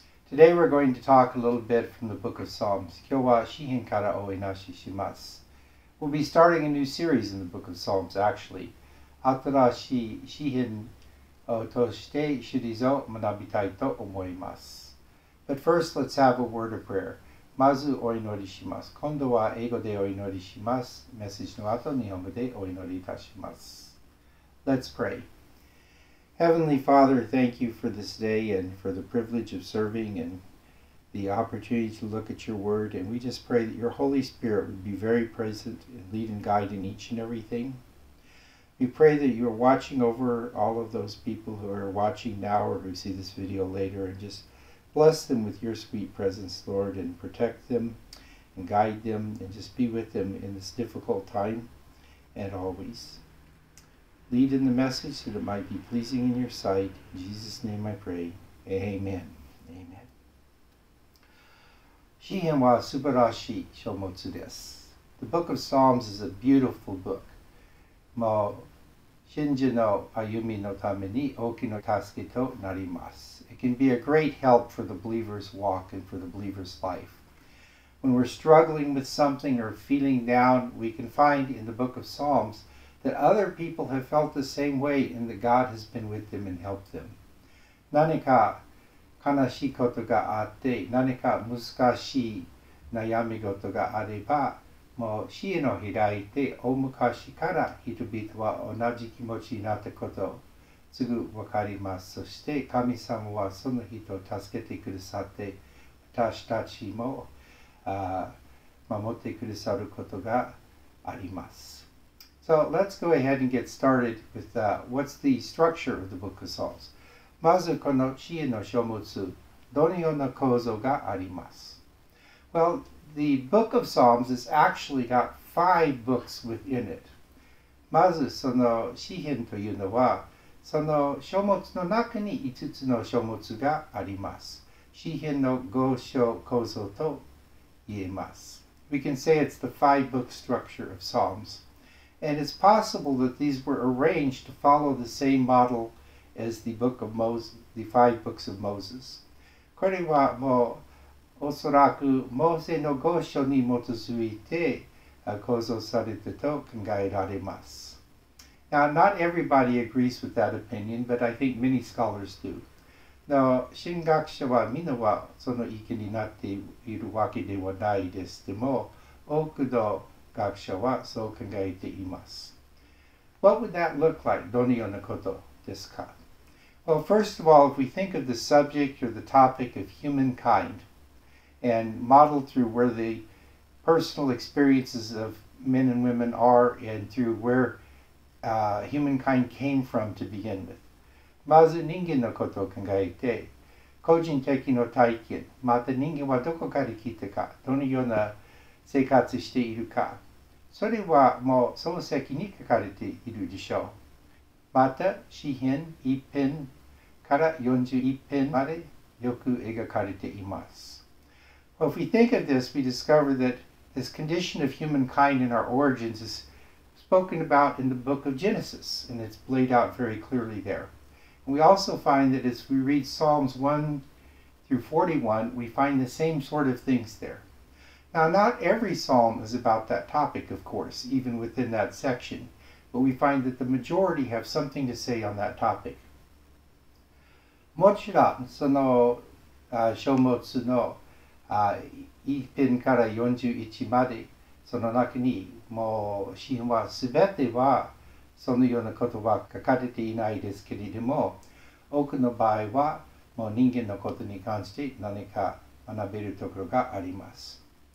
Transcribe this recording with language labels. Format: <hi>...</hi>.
<en>Today we're going to talk a little bit from the book of Psalms.</en> <ja>今日は詩編からお話しします。</ja> <en>We'll be starting a new series in the book of Psalms, actually.</en> <ja>新しい詩編としてシリーズを学びたいと思います。</ja> <en>But first, let's have a word of prayer.</en> <ja>まずお祈りします。今度は英語でお祈りします。メッセージの後、日本語でお祈りいたします。</ja> <en>Let's pray. Heavenly Father, thank you for this day and for the privilege of serving and the opportunity to look at your word. And we just pray that your Holy Spirit would be very present and lead and guide in each and everything. We pray that you are watching over all of those people who are watching now or who see this video later and justBless them with your sweet presence, Lord, and protect them and guide them and just be with them in this difficult time and always. Lead in the message that it might be pleasing in your sight. In Jesus' name I pray. Amen. Amen.</en> <ja>詩編は素晴らしい書物です。</ja> <en>The book of Psalms is a beautiful book.</en> <ja>もう信者の歩みのために大きな助けとなります。</ja> <en>It can be a great help for the believer's walk and for the believer's life. When we're struggling with something or feeling down, we can find in the book of Psalms that other people have felt the same way and that God has been with them and helped them.</en> <ja>何か悲しいことがあって、何か難しい悩み事があれば、もう詩編を開いて、大昔から人々は同じ気持ちになったこと。すぐわかります。そして神様はその人を助けてくださって、私たちも守ってくださることがあります。</ja> <en>So let's go ahead and get started with what's the structure of the Book of Psalms.</en> <ja>まずこの詩編の書物、どのような構造があります。</ja> <en>Well, the Book of Psalms has actually got five books within it.</en> <ja>まずその詩編というのは、その書物の中に5つの書物があります。詩編の合唱構造と言えます。</ja> <en>We can say it's the five book structure of Psalms. And it's possible that these were arranged to follow the same model as the book of Moses, the five books of Moses.</en> <ja>これはもうおそらくモーセの合唱に基づいて構造されたと考えられます。</ja> <en>Now, not everybody agrees with that opinion, but I think many scholars do.</en> <ja>Now, 神学者はみんなはその意見になっているわけではないですでも、多くの学者はそう考えています。</ja> <en>What would that look like?</en> <ja>どのようなことですか?</ja> <en>Well, first of all, if we think of the subject or the topic of humankind and model through where the personal experiences of men and women are and through where humankind came from to begin with.</en> <ja>まず人間のことを考えて、個人的な体験、また人間はどこから来たか、どのような生活しているか、それはもう創世記に書かれているでしょう。また詩編一編から41編までよく描かれています。</ja> <en>Well, if we think of this, we discover that this condition of humankind in our origins isspoken about in the book of Genesis, and it's laid out very clearly there. And we also find that as we read Psalms 1 through 41, we find the same sort of things there. Now, not every psalm is about that topic, of course, even within that section, but we find that the majority have something to say on that topic.</en> <ja>もちろん、その書物の一編から41まで、その中にもう詩編は全てはそのようなことは書かれていないですけれども多くの場合はもう人間のことに関して何か学べるところがあります。</ja>